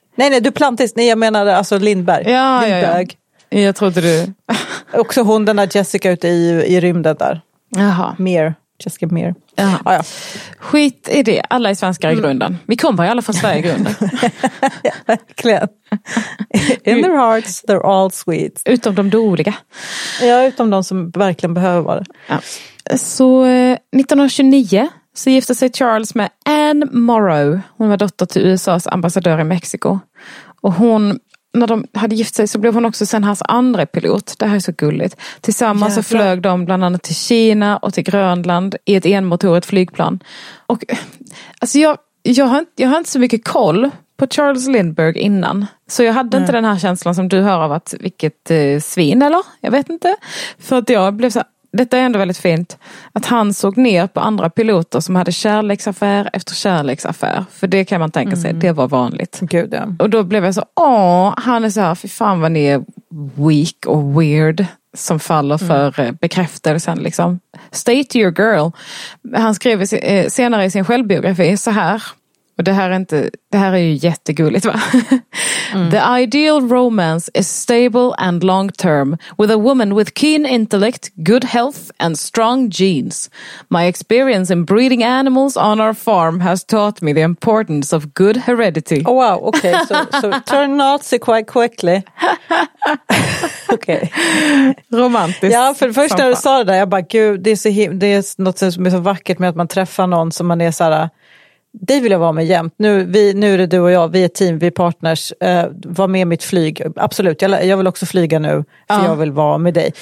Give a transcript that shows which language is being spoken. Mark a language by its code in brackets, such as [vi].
[sv] Nej, Duplantis. Nej, jag menade alltså Lindberg. Ja, Lindberg. Ja. Jag trodde du... Också hon, den där Jessica ute i rymden där. Jaha. Mer. Jessica Mer. Ja. Skit i det. Alla är svenskar i grunden. Vi kommer ju alla från Sverige i grunden. Verkligen. [en] In their hearts, they're all sweet. [sv] Utom de dåliga. Ja, utom de som verkligen behöver vara det. Ja. Så 1929 så gifte sig Charles med Anne Morrow. Hon var dotter till USAs ambassadör i Mexiko. Och hon, när de hade gift sig så blev hon också sen hans andra pilot. Det här är så gulligt. Tillsammans så flög de bland annat till Kina och till Grönland i ett enmotorigt flygplan. Och alltså jag har inte så mycket koll på Charles Lindbergh innan. Så jag hade inte den här känslan som du hör av att vilket svin, eller? Jag vet inte. För att jag blev så här, detta är ändå väldigt fint, att han såg ner på andra piloter som hade kärleksaffär efter kärleksaffär. För det kan man tänka sig, det var vanligt. Gud, ja. Och då blev jag så, han är så här, fy fan vad ni är weak och weird som faller för bekräftelsen. Liksom. [en] Stay to your girl. [sv] Han skrev senare i sin självbiografi så här. Och det här är ju jättegulligt, va? [en] The ideal romance is stable and long term with a woman with keen intellect, good health and strong genes. My experience in breeding animals on our farm has taught me the importance of good heredity. Oh wow, okay. So turn Nazi quite quickly. Okay. [sv] Romantiskt. Ja, för först när du sa det där, jag bara, gud, det är något som är så vackert med att man träffar någon som man är så här. Det vill jag vara med jämt. Nu är det du och jag, vi är team, vi är partners. Var med mitt flyg. Absolut, jag vill också flyga nu. För jag vill vara med dig.